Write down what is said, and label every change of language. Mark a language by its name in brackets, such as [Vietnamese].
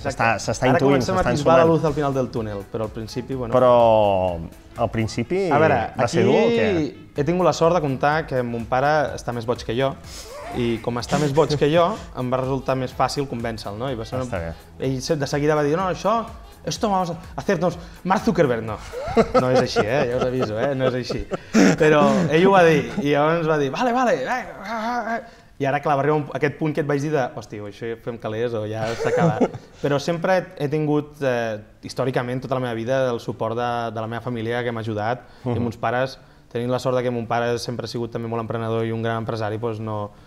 [Catalan] s'està ensumant. Ara comencem a tisbar [Spanish] la luz [Catalan] al final del túnel, però al principi... Bueno. Però al principi va ser dur o què? He tingut la sort de comptar que mon pare està més boig que jo, i com està més boig que jo, em va resultar més fàcil convèncer-lo. No? Ell de seguida va dir, no, això... [Spanish] Esto vamos a hacernos Mark Zuckerberg. [Catalan] No és així, ja us aviso, no és així. Però ell ho va dir, i llavors va dir, vale. I ara, clar, va arribar aquest punt que et vaig dir de, hòstia, això ja fem calés o ja s'acaba. Però sempre he tingut, històricament, tota la meva vida, el suport de la meva família, que m'ha ajudat, i amb uns pares, tenint la sort que mon pare sempre ha sigut també molt emprenedor i un gran empresari, doncs no...